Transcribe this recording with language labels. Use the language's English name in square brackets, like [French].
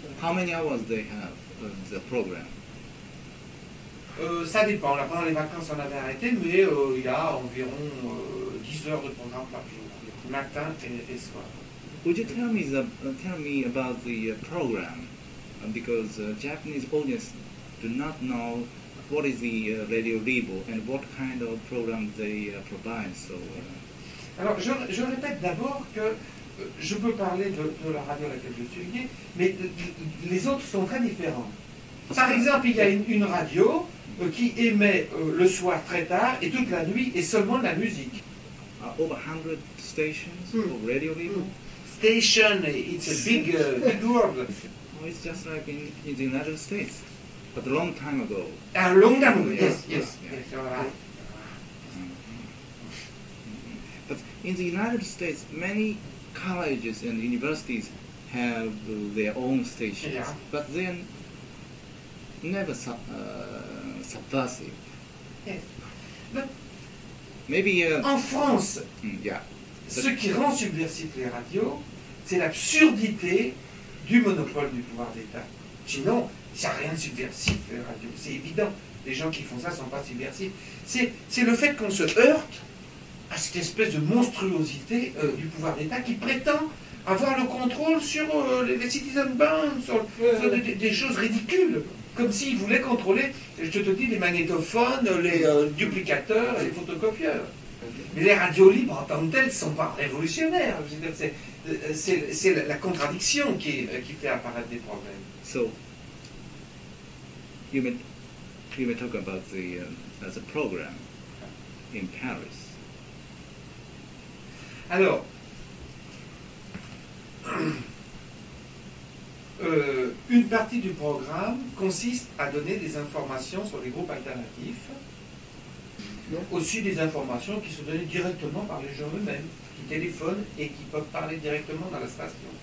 [English] How many hours they have of the program? [French] Ça dépend. Là, pendant les vacances, on avait arrêté, mais il y a environ 10 heures de programme par jour, matin et soir. [English] Would you tell me about the program? Because Japanese audience do not know what is the Radio Libre and what kind of program they provide. So, [French] Alors, je répète d'abord que je peux parler de la radio à laquelle je suis lié, mais les autres sont très différents. Par exemple, il y a une radio qui émet le soir très tard et toute la nuit et seulement de la musique. [English] Over 100 stations of Radio Libre? Station, it's a big word. Well, it's just like in the United States, but a long time ago. A long time ago, yes. But in the United States, many colleges and universities have their own stations, but then never subversive. Yes, but maybe [French] en France, ce qui rend subversif les radios, c'est l'absurdité du monopole du pouvoir d'État. Sinon, il n'y a rien de subversif, les radios. C'est évident, les gens qui font ça ne sont pas subversifs. C'est le fait qu'on se heurte à cette espèce de monstruosité du pouvoir d'État qui prétend avoir le contrôle sur les citizen bands, sur des choses ridicules, comme s'il voulait contrôler, je te dis, les magnétophones, les duplicateurs, les photocopieurs. Mais les radios libres en tant que telles ne sont pas révolutionnaires. Je veux dire, c'est la contradiction qui fait apparaître des problèmes. [English] So, you may talk about the program in Paris. [French] Alors, une partie du programme consiste à donner des informations sur les groupes alternatifs, aussi des informations qui sont données directement par les gens eux-mêmes, qui téléphonent et qui peuvent parler directement dans la station.